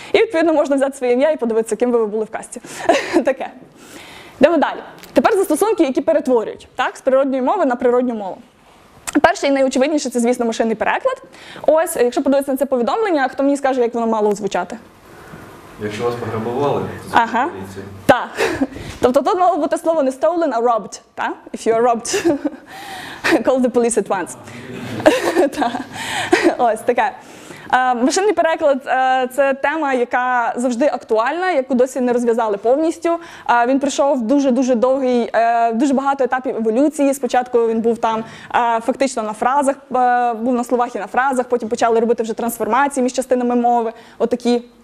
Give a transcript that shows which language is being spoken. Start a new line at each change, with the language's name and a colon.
Ukrainian: І відповідно можна взяти своє ім'я і подивитися, ким би ви були в касті. Таке. Йдемо далі. Тепер застосунки, які перетворюють, так, з природньої мови на природню мову. Перший і найочевидніше, це, звісно, машинний переклад. Ось, якщо подивитися на це повідомлення, хто мені скаже, як воно мало звучати? Якщо вас пограбували, то ага. Так. Тобто тут мало бути слово не stolen, а robbed. Та?
English: If you are robbed, call the police at once.
Ukrainian: Та. Ось таке. Машинний переклад – це тема, яка завжди актуальна, яку досі не розв'язали повністю. Він пройшов дуже-дуже довгий, дуже багато етапів еволюції. Спочатку він був там фактично на фразах, був на словах і на фразах, потім почали робити вже трансформації між частинами мови, отакі.